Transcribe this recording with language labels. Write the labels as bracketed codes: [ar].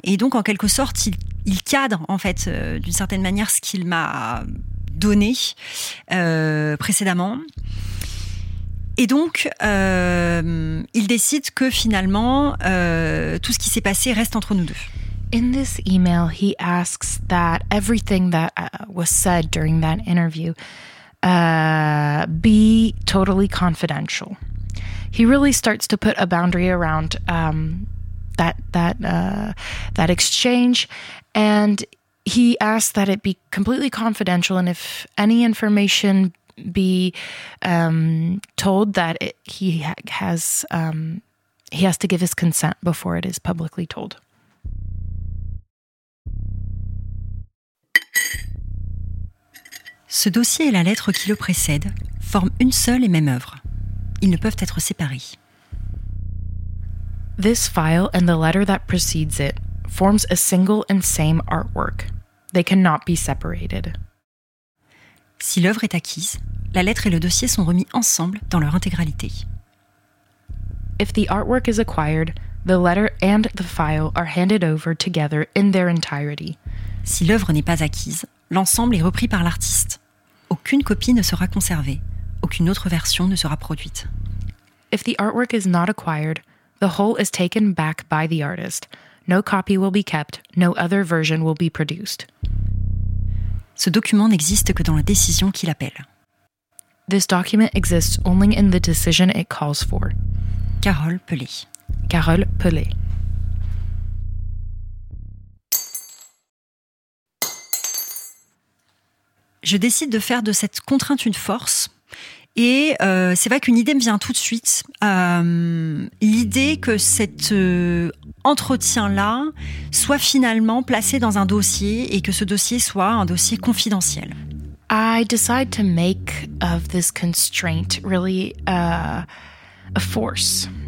[fr] Et donc, en quelque sorte, il cadre en fait d'une certaine manière ce qu'il m'a donné précédemment. Et donc, il décide que finalement, tout ce qui s'est passé reste entre nous deux. [en] In this email, he asks that everything that was said during that interview be totally confidential. He really starts to put a boundary around that exchange, and he asks that it be completely confidential, and if any information be told that he has to give his consent before it is publicly told. [fr] Ce dossier et la lettre qui le précède forment une seule et même œuvre. Ils ne peuvent être séparés. [en] This file and the letter that precedes it forms a single and same artwork. They cannot be separated. [fr] Si l'œuvre est acquise, la lettre et le dossier sont remis ensemble dans leur intégralité. [en] If the artwork is acquired, the letter and the file are handed over together in their entirety. [fr] Si l'œuvre n'est pas acquise, l'ensemble est repris par l'artiste. Aucune copie ne sera conservée. Aucune autre version ne sera produite. [en] If the artwork is not acquired, the whole is taken back by the artist. No copy will be kept. No other version will be produced. [fr] Ce document n'existe que dans la décision qu'il appelle. [en] This document exists only in the decision it calls for. [fr] Carole Pelé. [en] Carole Pelé. [fr] Je décide de faire de cette contrainte une force Et c'est vrai qu'une idée me vient tout de suite. L'idée que cet entretien-là soit finalement placé dans un dossier et que ce dossier soit un dossier confidentiel. [en] I decide to make of this constraint really a force.